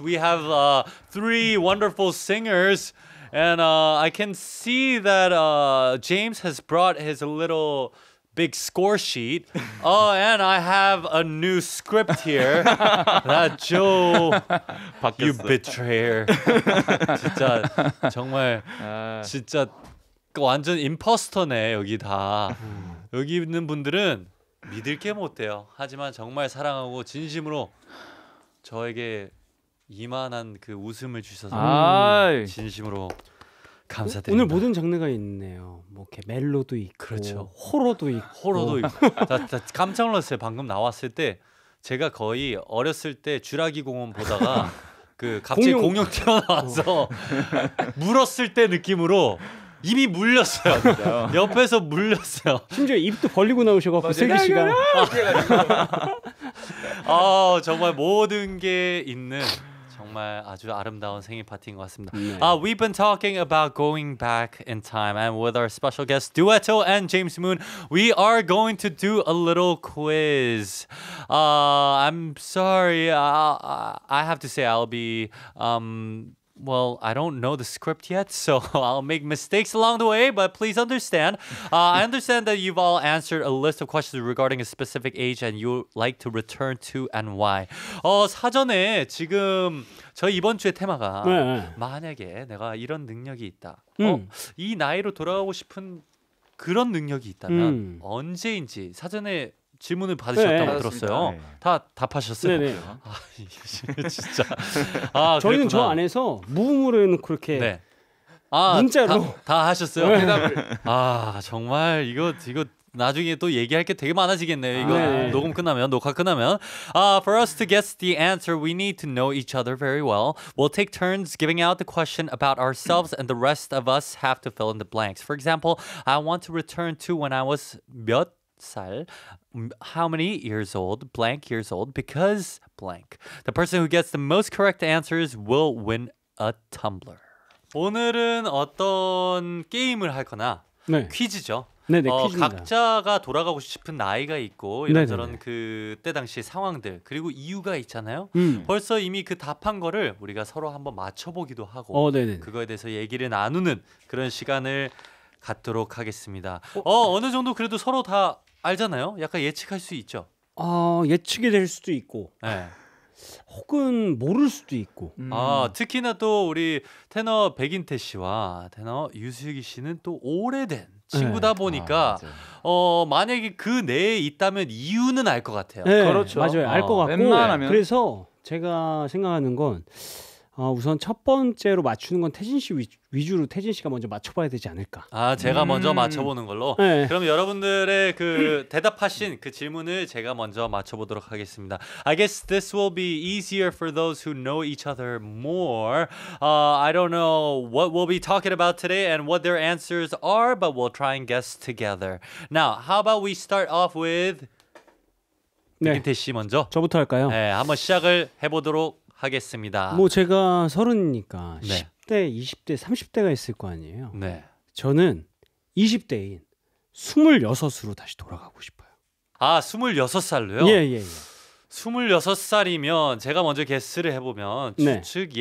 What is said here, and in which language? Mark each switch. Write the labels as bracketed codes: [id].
[en] We have three wonderful singers, and I can see that James has brought his little big score sheet. Oh, and I have a new script here. That Joe, [ko] 바뀌었어. [en] You betrayer. [ko] 진짜 정말 진짜 완전 임포스터네 여기 다 여기 있는 분들은. 믿을 게 못 돼요. 하지만 정말 사랑하고 진심으로 저에게 이만한 그 웃음을 주셔서 진심으로 감사드립니다. 오늘 모든 장르가 있네요. 뭐 이렇게 멜로도 있고 그렇죠. 호러도 있고 호러도 있고 다 깜짝 놀랐어요. 방금 나왔을 때 제가 거의 어렸을 때 주라기 공원 보다가 그 갑자기 공룡 튀어나와서 물었을 때 느낌으로 입이 물렸어요. 맞아요. 옆에서 물렸어요. 심지어 입도 벌리고 나오셔가지고 세기 시간. 아 정말 모든 게 있는 정말 아주 아름다운 생일 파티인 것 같습니다. 네. [en] We've been talking about going back in time and with our special guest Duetto and James Moon, we are going to do a little quiz. I'm sorry. I have to say I'll be. Well, I don't know the script yet, so I'll make mistakes along the way, but please understand. I understand that you've all answered a list of questions regarding a specific age and you like to return to and why. [ko] 사전에 지금 저 이번 주에 테마가 네. 만약에 내가 이런 능력이 있다. 이 나이로 돌아가고 싶은 그런 능력이 있다면 언제인지 사전에 질문을 받으셨다고 네, 들었어요. 네. 다 답하셨어요. 네. 아, 진짜. 아, 저희는 저 안에서 무음으로 그렇게 네. 아, 문자로 다 하셨어요. 아, 정말 이거 나중에 또 얘기할 게 되게 많아지겠네요. 이거 네. 녹음 끝나면 녹화 끝나면 [en] for us to guess the answer, we need to know each other very well. We'll take turns giving out the question about ourselves and the rest of us have to fill in the blanks. For example, I want to return to when I was [ko] 몇 살 [en] How many years old, blank years old, because blank. The person who gets the most correct answers will win a tumbler. [ko] 오늘은 어떤 게임을 할 거나 네. 퀴즈죠. 네, 퀴즈입니다. 각자가 돌아가고 싶은 나이가 있고 이런저런 네네. 그때 당시 상황들 그리고 이유가 있잖아요. 벌써 이미 그 답한 거를 우리가 서로 한번 맞춰보기도 하고 그거에 대해서 얘기를 나누는 그런 시간을 갖도록 하겠습니다. 어느 정도 그래도 서로 다 알잖아요. 약간 예측할 수 있죠. 예측이 될 수도 있고, 네. 혹은 모를 수도 있고. 특히나 또 우리 테너 백인태 씨와 테너 유수기 씨는 또 오래된 친구다 네. 보니까, 만약에 그 내에 있다면 이유는 알 것 같아요. 네, 그렇죠. 맞아요. 알 것 같고. 웬만하면. 그래서 제가 생각하는 건 우선 첫 번째로 맞추는 건 태진 씨 위주로 태진 씨가 먼저 맞춰봐야 되지 않을까? 아, 제가 먼저 맞춰보는 걸로. 네. 그럼 여러분들의 그 대답하신 그 질문을 제가 먼저 맞춰보도록 하겠습니다. [en] I guess this will be easier for those who know each other more. I don't know what we'll be talking about today and what their answers are, but we'll try and guess together. Now, how about we start off with 김태 씨 먼저. [ko] 저부터 할까요? 네, 한번 시작을 해보도록. 하겠습니다. 뭐 제가 서른이니까 네. 10대, 20대, 30대가 있을 거 아니에요. 네. 저는 20대인 26으로 다시 돌아가고 싶어요. 아, 26살로요? 예예예. 예, 예. 26살이면 제가 먼저 게스를 해보면 추측 네.